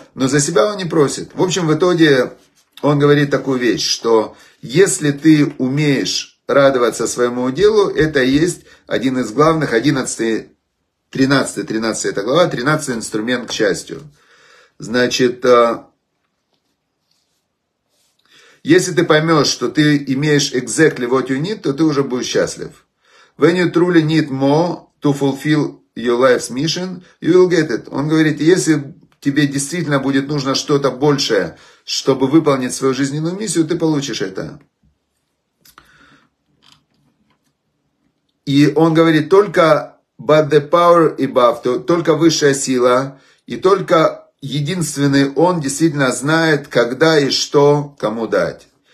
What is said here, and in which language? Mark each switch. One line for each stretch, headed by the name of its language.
Russian: Но за себя он не просит. В общем, в итоге он говорит такую вещь, что если ты умеешь радоваться своему делу, это и есть один из главных, 13 это глава, 13 инструмент к счастью. Значит, если ты поймешь, что ты имеешь
English: exactly what you need,
Russian: то ты уже будешь счастлив.
English: When you truly need more to fulfill your life's mission, you will get it.
Russian: Он говорит, если тебе действительно будет нужно что-то большее, чтобы выполнить свою жизненную миссию, ты получишь это. И он говорит, только
English: but the power above,
Russian: то, только высшая сила, и только единственный он действительно знает, когда и что кому дать.